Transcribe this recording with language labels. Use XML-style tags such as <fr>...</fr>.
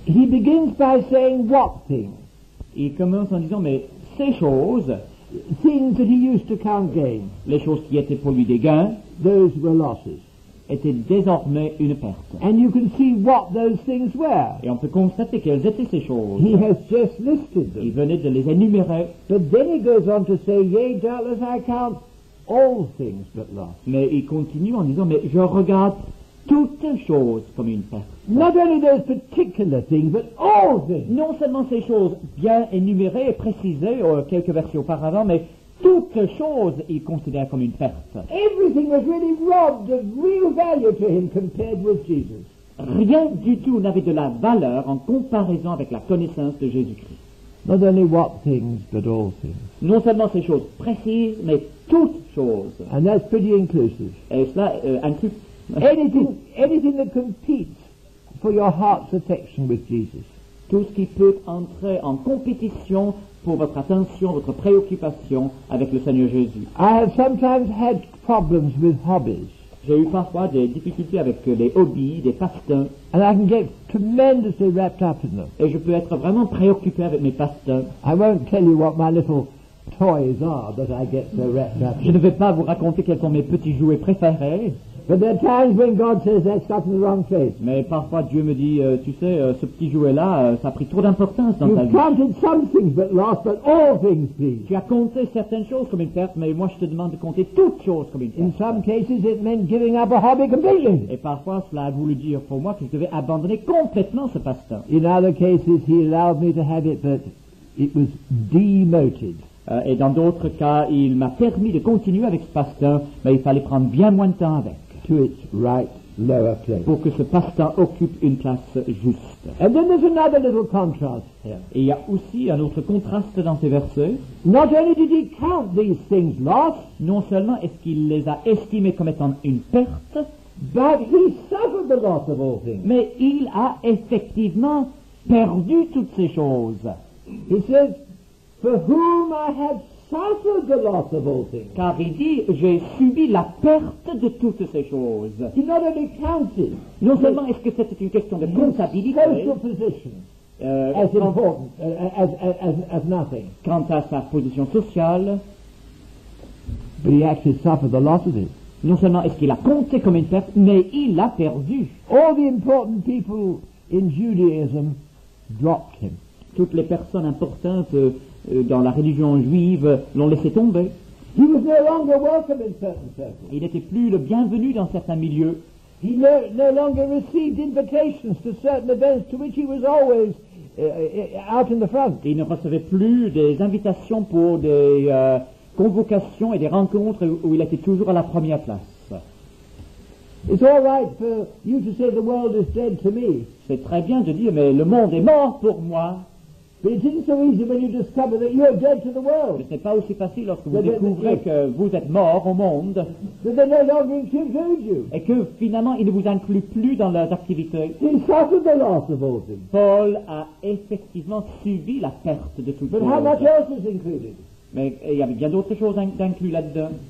<en>He begins by saying what things?</en> <fr>Il commence en disant, mais ces choses,</fr> <en>things that he used to count gain,</en> <fr>les choses qui étaient pour lui des gains,</fr> <en>those were losses.</en> <fr>Était désormais une perte.</fr> <en>And you can see what those things were.</en> <fr>Et on peut constater quelles étaient ces choses.</fr> <en>He has just listed them.</en> <fr>Il venait de les énumérer.</fr> <en>But then he goes on to say, yea, doubtless I count all things but loss.</en> <fr>Mais il continue en disant, mais je regarde toutes choses comme une perte.</fr> <en>Not only those particular things, but all things.</en> <fr>Non seulement ces choses bien énumérées et précisées quelques versets auparavant, mais toutes choses, il considère comme une perte.</fr> <en>Everything was really robbed of real value to him compared with Jesus.</en> <fr>Rien du tout n'avait de la valeur en comparaison avec la connaissance de Jésus-Christ.</fr> <en>Not only what things, but all things.</en> <fr>Non seulement ces choses précises, mais toutes choses.</fr> <en>And that's pretty inclusive.</en> <fr>Et cela inclut</fr> <en>anything that competes for your heart's affection with Jesus.</en> <fr>Tout ce qui peut entrer en compétition pour votre attention, votre préoccupation avec le Seigneur Jésus.</fr> <en>I have sometimes had problems with hobbies.</en> <fr>J'ai eu parfois des difficultés avec les hobbies, des passe-temps.</fr> <en>And I can get tremendously wrapped up in them.</en> <fr>Et je peux être vraiment préoccupé avec mes passe-temps.</fr> <en>I won't tell you what my little toys are that I get so wrapped up in.</en> <fr>Je ne vais pas vous raconter quels sont mes petits jouets préférés.</fr> <en>But there are times when God says that stuff in the wrong place.</en> <fr>Mais parfois Dieu me dit, tu sais, ce petit jouet-là, ça a pris trop d'importance dans</fr> <en>you</en> <fr>ta vie.</fr> <en>You counted some things but lost, but all things, please.</en> <fr>Tu as compté certaines choses comme une perte, mais moi je te demande de compter toutes choses comme une perte.</fr> <en>In some cases, it meant giving up a hobby completely.</en> <fr>Et parfois cela a voulu dire pour moi que je devais abandonner complètement ce passe-temps.</fr> <en>In other cases, he allowed me to have it, but it was demoted.</en> <fr>Et dans d'autres cas, il m'a permis de continuer avec ce passe-temps, mais il fallait prendre bien moins de temps avec.</fr> <en>To its right lower place.</en> <fr>Pour que ce passe-temps occupe une place juste.</fr> <en>And then there's another little contrast here.</en> <fr>Et il y a aussi un autre contraste dans ces versets.</fr> <en>Not only did he count these things lost,</en> <fr>non seulement est-ce qu'il les a estimés comme étant une perte,</fr> <en>but he suffered the loss of all things.</en> <fr>Mais il a effectivement perdu toutes ces choses.</fr> <en>He says, for whom I have suffered the loss of all things.</en> <fr>Car il dit, j'ai subi la perte de toutes ces choses.</fr> <en>He not only counted,</en> <fr>non seulement est-ce que c'était une question de comptabilité,</fr> <en>social position, as important, as nothing.</en> <fr>Quant à sa position sociale,</fr> <en>but he actually suffered the loss of it.</en> <fr>Non seulement est-ce qu'il a compté comme une perte, mais il l'a perdu.</fr> <en>All the important people in Judaism dropped him.</en> <fr>Toutes les personnes importantes dans la religion juive l'ont laissé tomber.</fr> <en>He was no longer welcome in certain circles.</en> <fr>Il n'était plus le bienvenu dans certains milieux.</fr> <en>He no longer received invitations to certain events to which he was always out in the front.</en> <fr>Il ne recevait plus des invitations pour des convocations et des rencontres où il était toujours à la première place.</fr> <en>It's all right for you to say the world is dead to me.</en> <fr>C'est très bien de dire mais le monde est mort pour moi.</fr> <en>But it isn't so easy when you discover that you are dead to the world.</en> <fr>Mais c'est pas aussi facile lorsque vous découvrez que vous êtes mort au monde.</fr> <en>That they no longer include you.</en> <fr>Et que finalement ils ne vous incluent plus dans leurs activités.</fr> <en>He suffered the loss of all things.</en> <fr>Paul a effectivement subi la perte de tout.</fr> <en>But how much else is included?</en> <fr>Mais il y avait bien d'autres choses incluses là-dedans.</fr>